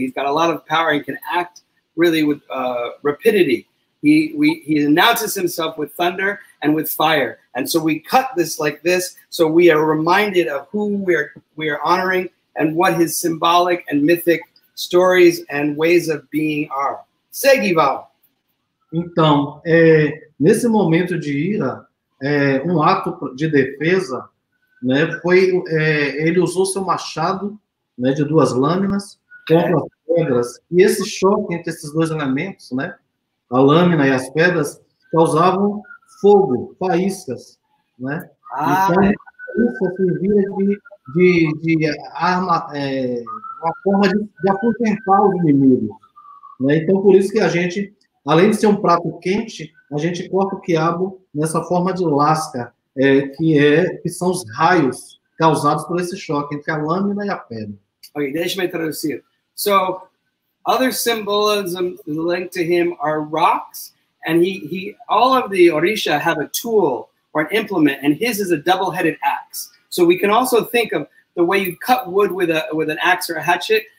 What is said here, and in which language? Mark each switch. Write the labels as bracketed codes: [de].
[en] He's got a lot of power and can act really with rapidity. He announces himself with thunder and with fire. And so we cut this like this, so we are reminded of who we are honoring and what his symbolic and mythic stories and ways of being are. [pt] Segue, Val. Então, nesse momento de ira, um ato de defesa, né, foi ele usou seu machado, né, de duas lâminas contra as pedras. E esse choque entre esses dois elementos, né, a lâmina e as pedras, causavam fogo, faíscas, né? Então, isso servia de arma, uma forma de apontar os inimigos, né? Então, por isso que a gente, além de ser um prato quente, a gente corta o quiabo nessa forma de lasca, que são os raios causados por esse choque entre a lâmina e a pedra. Ok, deixa eu traduzir. [en] So, other symbolism linked to him are rocks, and he all of the Orisha have a tool or an implement, and his is a double-headed axe. So we can also think of the way you cut wood with an axe or a hatchet.